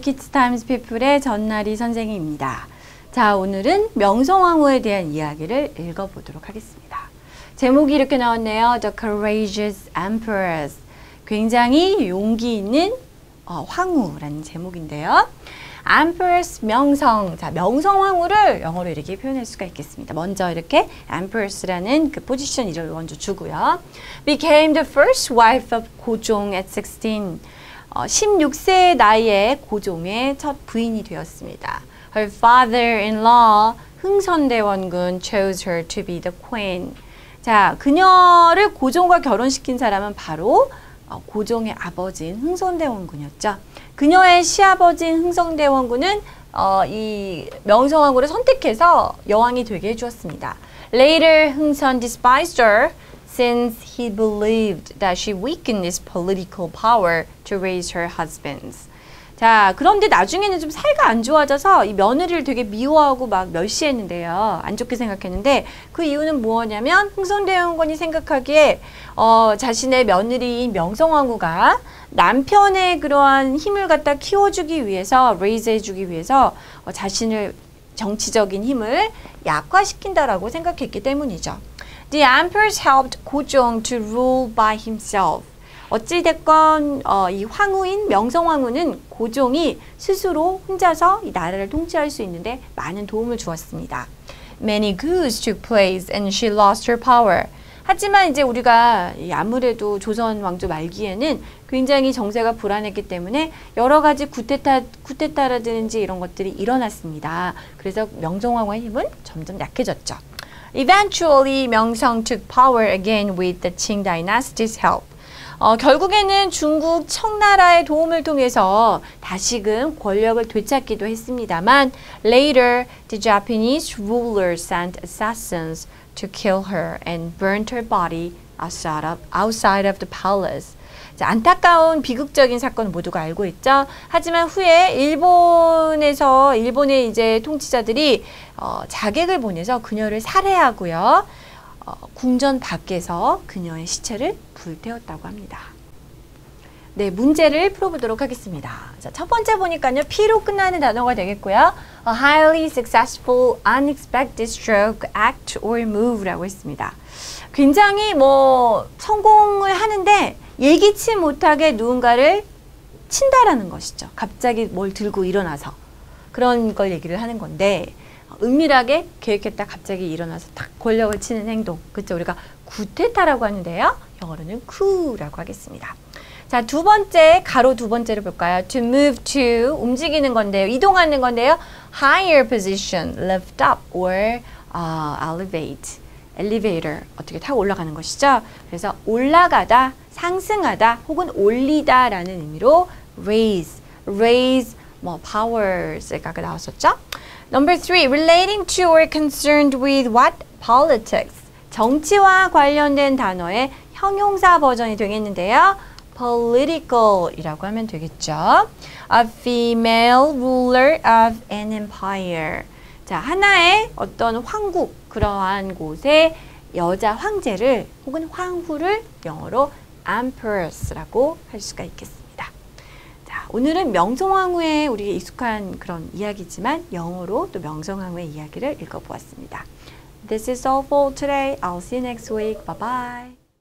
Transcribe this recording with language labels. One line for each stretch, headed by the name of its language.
Korean: Kids Times People의 전나리 선생님입니다. 자, 오늘은 명성황후에 대한 이야기를 읽어보도록 하겠습니다. 제목이 이렇게 나왔네요.
English: The Courageous Empress.
Korean: 굉장히 용기 있는 황후라는 제목인데요.
English: Empress 명성.
Korean: 자, 명성황후를 영어로 이렇게 표현할 수가 있겠습니다. 먼저 이렇게 Empress라는 그 포지션 이름을 먼저 주고요.
English: Became the first wife of 고종 at 16.
Korean: 16세의 나이에 고종의 첫 부인이 되었습니다.
English: Her father-in-law, 흥선대원군, chose her to be the queen.
Korean: 자, 그녀를 고종과 결혼시킨 사람은 바로 고종의 아버지인 흥선대원군이었죠. 그녀의 시아버지인 흥선대원군은 이 명성황후를 선택해서 여왕이 되게 해주었습니다.
English: Later, 흥선 despised her. Since he believed that she weakened his political power to raise her husbands.
Korean: 자, 그런데 나중에는 좀 사이가 안 좋아져서 이 며느리를 되게 미워하고 막 멸시했는데요. 안 좋게 생각했는데 그 이유는 뭐냐면 흥선대원군이 생각하기에 자신의 며느리인 명성황후가 남편의 그러한 힘을 갖다 키워주기 위해서 raise 해주기 위해서 자신을 정치적인 힘을 약화시킨다라고 생각했기 때문이죠.
English: The Empress helped 고종 to rule by himself.
Korean: 어찌됐건 이 황후인 명성황후는 고종이 스스로 혼자서 이 나라를 통치할 수 있는데 많은 도움을 주었습니다.
English: Many coups took place and she lost her power.
Korean: 하지만 이제 우리가 아무래도 조선 왕조 말기에는 굉장히 정세가 불안했기 때문에 여러 가지 쿠데타라든지 이런 것들이 일어났습니다. 그래서 명성황후의 힘은 점점 약해졌죠.
English: Eventually, 명성 took power again with the Qing dynasty's help.
Korean: 결국에는 중국 청나라의 도움을 통해서 다시금 권력을 되찾기도 했습니다만,
English: later, the Japanese ruler sent assassins to kill her and burnt her body outside of the palace.
Korean: 자, 안타까운 비극적인 사건 모두가 알고 있죠. 하지만 후에 일본의 이제 통치자들이 자객을 보내서 그녀를 살해하고요. 궁전 밖에서 그녀의 시체를 불태웠다고 합니다. 네, 문제를 풀어보도록 하겠습니다. 자, 첫 번째 보니까요. P로 끝나는 단어가 되겠고요.
English: A highly successful unexpected stroke, act or move
Korean: 라고 했습니다. 굉장히 뭐 성공을 하는데 예기치 못하게 누군가를 친다라는 것이죠. 갑자기 뭘 들고 일어나서 그런 걸 얘기를 하는 건데 은밀하게 계획했다 갑자기 일어나서 딱 권력을 치는 행동. 그렇죠? 우리가 쿠데타라고 하는데요. 영어로는 쿠라고 하겠습니다. 자, 두 번째, 가로 두 번째를 볼까요?
English: To move to,
Korean: 움직이는 건데요. 이동하는 건데요.
English: Higher position, lift up or elevate.
Korean: Elevator, 어떻게 타고 올라가는 것이죠. 그래서 올라가다, 상승하다, 혹은 올리다 라는 의미로 raise, 뭐 powers 가 나왔었죠.
English: Number three, relating to or concerned with what politics?
Korean: 정치와 관련된 단어의 형용사 버전이 되겠는데요. Political 이라고 하면 되겠죠.
English: A female ruler of an empire.
Korean: 자, 하나의 어떤 황국, 그러한 곳의 여자 황제를 혹은 황후를 영어로 Empress라고 할 수가 있겠습니다. 자, 오늘은 명성황후에 우리가 익숙한 그런 이야기지만 영어로 또 명성황후의 이야기를 읽어보았습니다.
English: This is all for today. I'll see you next week. Bye-bye.